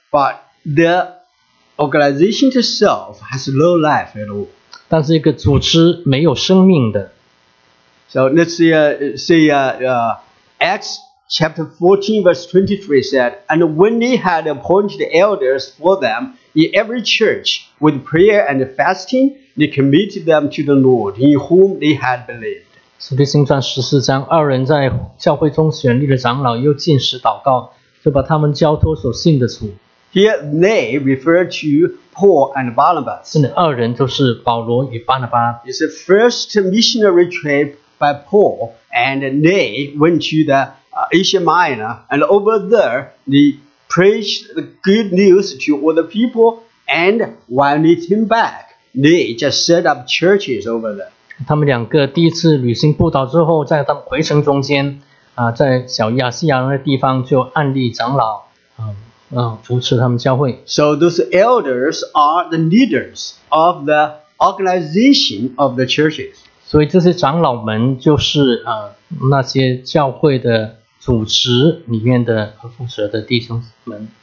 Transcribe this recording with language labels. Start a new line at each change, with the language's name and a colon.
English: But the organization itself has no life at all.
Chinese: 但是一个组织没有生命的。
English: So let's see, Acts chapter 14 verse 23 said, "And when they had appointed elders for them in every church with prayer and fasting, they committed them to the Lord in whom they had believed."
Chinese: 使徒行传十四章，二人在教会中选立了长老，又进食祷告，就把他们交托所信的主。
English: Here they refer to Paul and Barnabas.
Chinese: 是的，二人就是保罗与巴拿巴。
English: It's the first missionary trip by Paul, and they went to the Asia Minor, and over there they preached the good news to all the people, and while they came back, they just set up churches over there.
Chinese: 他们两个第一次旅行布道之后，在他们回程中间，在小亚细亚的地方就按立长老，扶持他们教会。
English: So those elders are the leaders of the organization of the churches.
Chinese: 所以这些长老们就是那些教会的组织里面的负责的弟兄们。